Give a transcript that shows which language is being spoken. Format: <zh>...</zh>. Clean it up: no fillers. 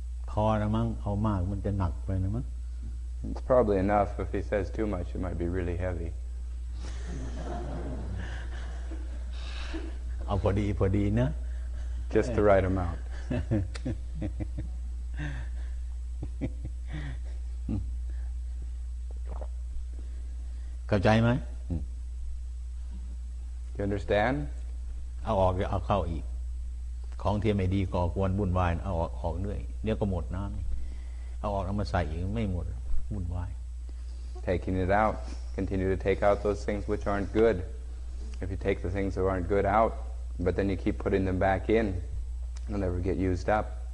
<th>พอละมั้งเอามากมันจะหนักไปนะมั้ง</th> <en>It's probably enough. If he says too much, it might be really heavy.</en> <th>เอาพอดีพอดีนะ</th> <en>Just the right amount.</en> <th>เข้าใจไ</th> <en>หม You understand?</en> <th>เอาออกเอาเข้าอีกของที่ไม่ดีก่อกวนวุ่นวายเอาออกออกเรื่อยเดี๋ยวก็หมดน้ำเอาออกเอามาใส่อีกไม่หมดวุ่นวาย</th> <en>Taking it out, continue to take out those things which aren't good. If you take the things that aren't good out, but then you keep putting them back in, they'll never get used up.</en>